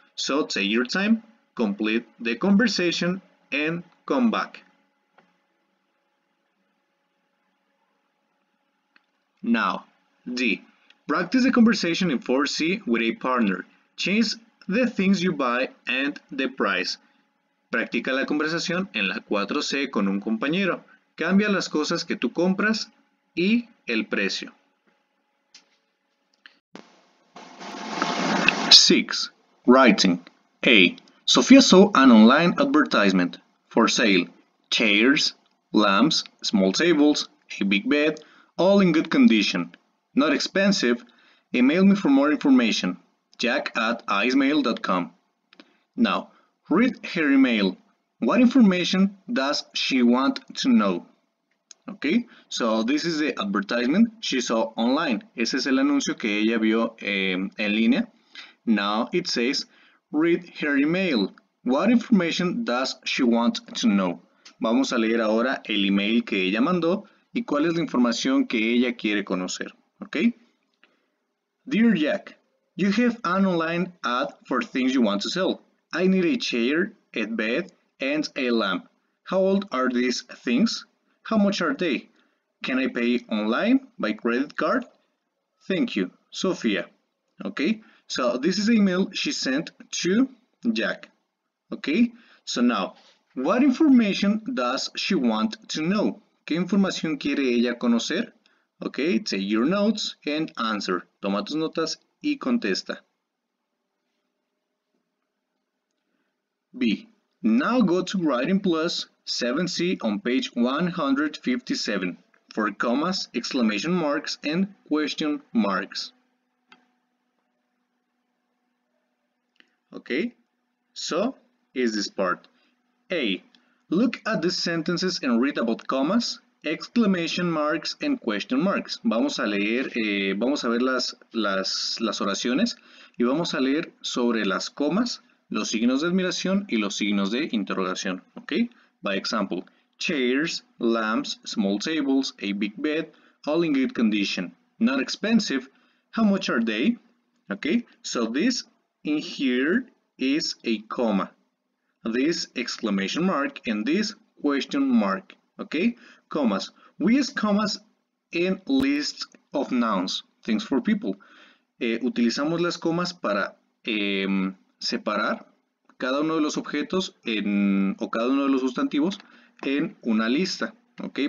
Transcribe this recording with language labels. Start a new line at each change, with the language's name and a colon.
English: So take your time, complete the conversation, and come back. Now, D. Practice the conversation in 4C with a partner. Change the things you buy and the price.
Spanish: Practica la conversación en la 4C con un compañero. Cambia las cosas que tú compras y el precio.
English: 6. Writing. A. Sophia saw an online advertisement for sale. Chairs, lamps, small tables, a big bed, all in good condition. Not expensive. Email me for more information. jack@icemail.com. Now, read her email. What information does she want to know? Okay, so this is the advertisement she saw online.
Spanish: Ese es el anuncio que ella vio en línea.
English: Now it says, read her email. What information does she want to know?
Spanish: Vamos a leer ahora el email que ella mandó y cuál es la información que ella quiere conocer.
English: Okay? Dear Jack, you have an online ad for things you want to sell. I need a chair, a bed, and a lamp. How old are these things? How much are they? Can I pay online by credit card? Thank you, Sophia. Okay? So, this is the email she sent to Jack, okay? So now, what information does she want to know?
Spanish: ¿Qué información quiere ella conocer?
English: Okay, take your notes and answer.
Spanish: Toma tus notas y contesta.
English: B. Now go to Writing Plus 7C on page 157 for commas, exclamation marks, and question marks. Okay, so is this part. A. Look at the sentences and read about commas, exclamation marks, and question marks.
Spanish: Vamos a leer, vamos a ver las oraciones y vamos a leer sobre las comas, los signos de admiración y los signos de interrogación.
English: Okay, by example, chairs, lamps, small tables, a big bed, all in good condition. Not expensive. How much are they? Okay, so this in here is a comma, this exclamation mark, and this question mark, okay? Commas. We use commas in lists of nouns, things for people.
Spanish: Utilizamos las comas para separar cada uno de los objetos en, o cada uno de los sustantivos en una lista, okay?